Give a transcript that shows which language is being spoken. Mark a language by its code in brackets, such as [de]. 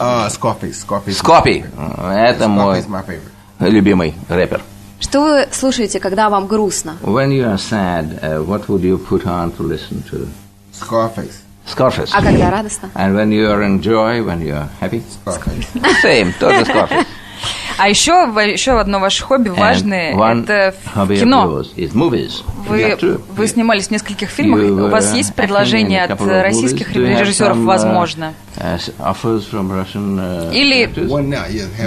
[ru] Скопи, это мой любимый рэпер. Что вы слушаете, когда вам грустно? [en] When you are sad, what would you put on to listen to? Scarface. [ru] А когда радостно? [en] And when you are in joy, when you are happy? Scarface. [ru] Same, тоже Scarface. А еще одно ваше хобби важное, это кино. Вы снимались в нескольких фильмах, у вас есть предложения от российских режиссеров, возможно? Или...